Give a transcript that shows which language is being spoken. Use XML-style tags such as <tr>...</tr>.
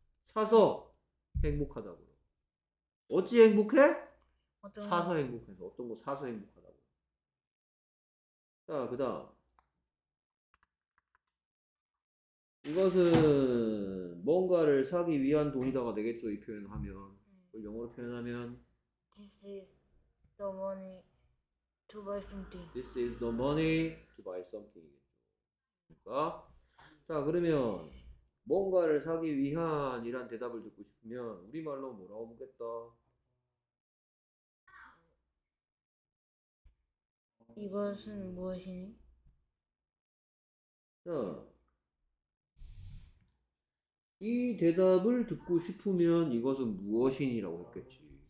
<ko>사서 행복하다고요. 어찌 행복해? 사서 행복해서 어떤 거 사서 행복하다고. 자, 그다음 이것은 뭔가를 사기 위한 돈이다가 되겠죠. 이 표현을 하면 그걸 영어로 표현하면</ko> <en>This is the money to buy something. This is the money to buy something.</en> <ko>그러니까. 자, 그러면 뭔가를 사기 위한 이란 대답을 듣고 싶으면 우리말로 뭐라고 묻겠다? 이것은 무엇이니? 자, 이 대답을 듣고 싶으면 이것은 무엇이니라고 했겠지.</ko>